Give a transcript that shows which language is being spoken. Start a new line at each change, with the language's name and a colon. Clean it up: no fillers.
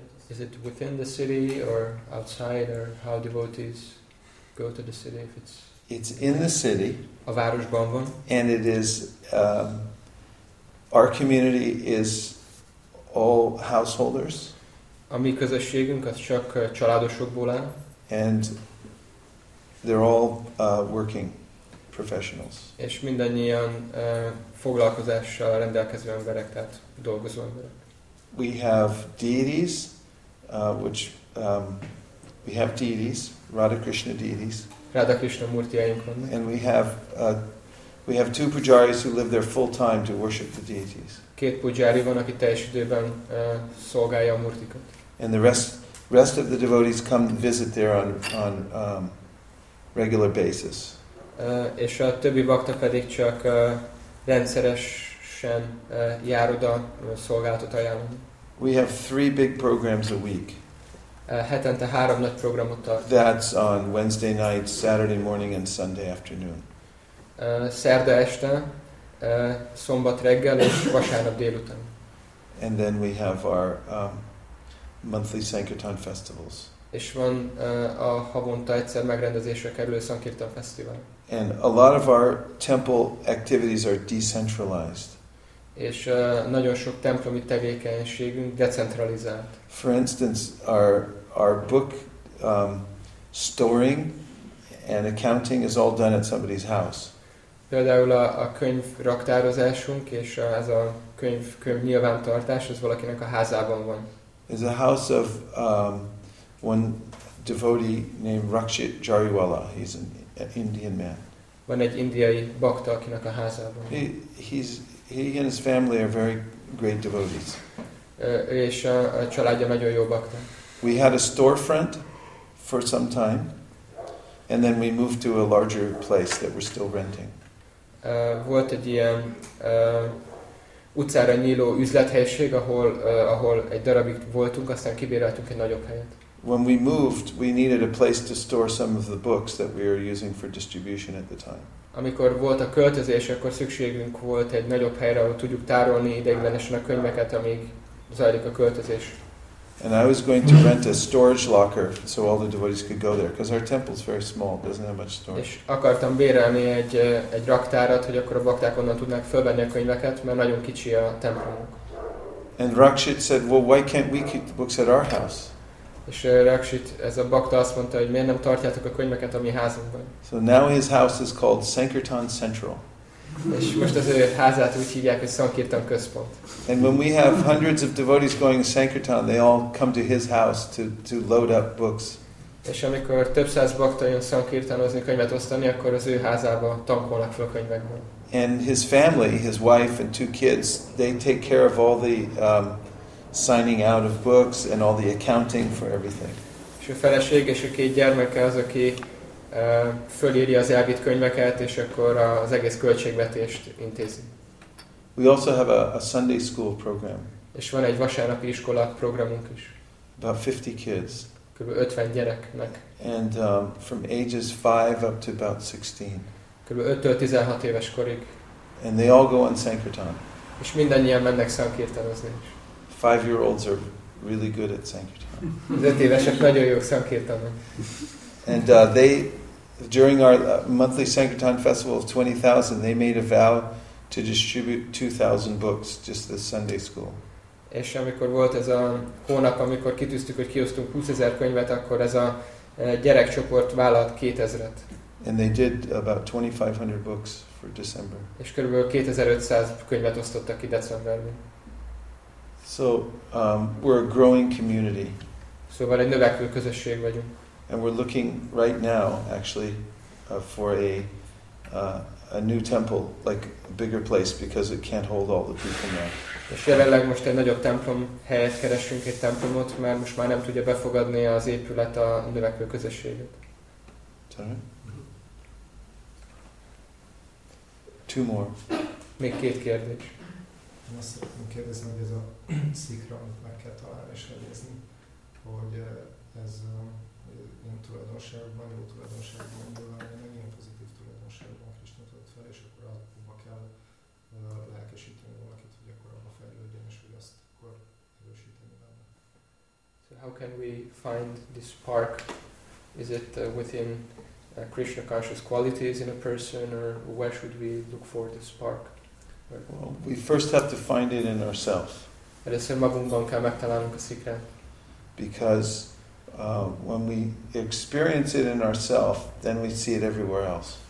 English: Is it within the city or outside, or how devotees go to the city? If it's in the city.
Hungarian: A városban van.
English: And it is our community is all householders.
Hungarian: A mi közösségünk az csak családosokból áll.
English: And they're all working professionals.
Hungarian: És mindannyian foglalkozással rendelkező emberek, tehát dolgozó emberek.
English: We have deities, we have deities, Radha Krishna deities.
Hungarian: Radha Krishna murtiáink vannak.
English: And we have two pujaris who live there full time to worship the deities.
Hungarian: Két pujári van, aki teljes időben szolgálja a murtikat.
English: And the rest of the devotees come visit there on regular basis.
Hungarian: és a többi bakta pedig csak rendszeresen jár oda szolgálatot ajánlani.
English: We have three big programs a week.
Hungarian: Hetente három nagy programot tart.
English: That's on Wednesday night, Saturday morning and Sunday afternoon.
Hungarian: Szerda este, szombat reggel és vasárnap délután.
English: And then we have our monthly Sankirtan festivals.
Hungarian: És van a havonta egyszer megrendezésre kerülő Sankirtan fesztivál.
English: And a lot of our temple activities are decentralized.
Hungarian: És nagyon sok templomi tevékenységünk decentralizált.
English: For instance, our book storing and accounting is all done at somebody's house.
Hungarian: Például a könyv raktározásunk és ez a könyv nyilvántartás az valakinek a házában van.
English: It's a house of one devotee named Rakshit Jariwala. He's an Indian man.
Hungarian: Van egy indiai bakta, akinek a házában.
English: He and his family are very great devotees.
Hungarian: És a családja nagyon jó bakta.
English: We had a storefront for some time, and then we moved to a larger place that we're still renting.
Hungarian: Volt egy ilyen utcára nyíló üzlethelyiség, ahol egy darabig voltunk, aztán kibéreltünk egy nagyobb helyet.
English: When we moved, we needed a place to store some of the books that we were using for distribution at the time.
Hungarian: Amikor volt a költözés, akkor szükségünk volt egy nagyobb helyre, ahol tudjuk tárolni ideiglenesen a könyveket, amíg zajlik a költözés.
English: And I was going to rent a storage locker so all the devotees could go there, because our temple is very small, doesn't have much storage.
Hungarian: És akartam bérelni egy raktárat, hogy akkor a bakták onnan tudnak fölvenni a könyveket, mert nagyon kicsi a templomunk.
English: And Rakshit said, well, why can't we keep the books at our house?
Hungarian: És Rakshit, ez a bakta azt mondta, hogy miért nem tartjátok a könyveket a mi házunkban.
English: So now his house is called Sankirtan Central.
Hungarian: És most az ő házát úgy hívják, hogy Sankirtan Központ.
English: And when we have hundreds of devotees going to Sankirtan, they all come to his house to load up books.
Hungarian: És amikor több száz bakta jön Sankirtanozni, könyvet osztani, akkor az ő házába tankolnak fel könyvekből.
English: And his family, his wife and two kids, they take care of all the signing out of books and all the accounting for everything.
Hungarian: És a feleség és a két gyermeke az, aki fölírja az elvitt könyveket, és akkor az egész költségvetést intézi.
English: We also have a Sunday school program.
Hungarian: És van egy vasárnapi iskola programunk is.
English: About 50 kids.
Hungarian: Kb. 50 gyereknek.
English: And from ages 5 up to about 16.
Hungarian: Kb. 5-től 16 éves korig.
English: And they all go on Sankirtan.
Hungarian: És mindannyian mennek Sankirtanozni is.
English: 5-year-olds are really good at Sankirtan.
Hungarian: Az 5 évesek nagyon jók Sankirtanon.
English: And they, during our monthly Sankirtan festival of 20,000, they made a vow to distribute 2,000 books just this Sunday school.
Hungarian: És amikor volt ez a hónap, amikor kitűztük, hogy kiosztunk 20,000 könyvet, akkor ez a gyerekcsoport vállalt 2,000-et.
English: And they did about 2,500 books for December.
Hungarian: És körülbelül 2,500 könyvet osztottak ki decemberben.
English: So we're a growing community.
Hungarian: Szóval egy növekvő közösség vagyunk.
English: And we're looking right now, actually, for a new temple, like a bigger place, because it can't hold all the people now.
Hungarian: És jelenleg most egy nagyobb templom helyet keresünk, egy templomot, mert most már nem tudja befogadni az épület a növekvő közösséget.
English: Sorry? Two more.
Hungarian: Még két kérdés. Én azt szeretném kérdezni, hogy ez a szikra, amit meg kell találni és helyezni, hogy ez a tulajdonságban, jó tulajdonságban, de milyen pozitív tulajdonságban Krisna tölt fel, és akkor abba kell lelkesíteni valakit, hogy akkor abba fejlődjön, és hogy azt akkor erősíteni benne.
English: So how can we find this park? Is it within Krishna conscious qualities in a person, or where should we look for this park? Well, we first have to find it in ourselves.
Hungarian: Először magunkban kell megtalálnunk a szikrát.
English: Because when we experience it in ourselves, then we see it everywhere else.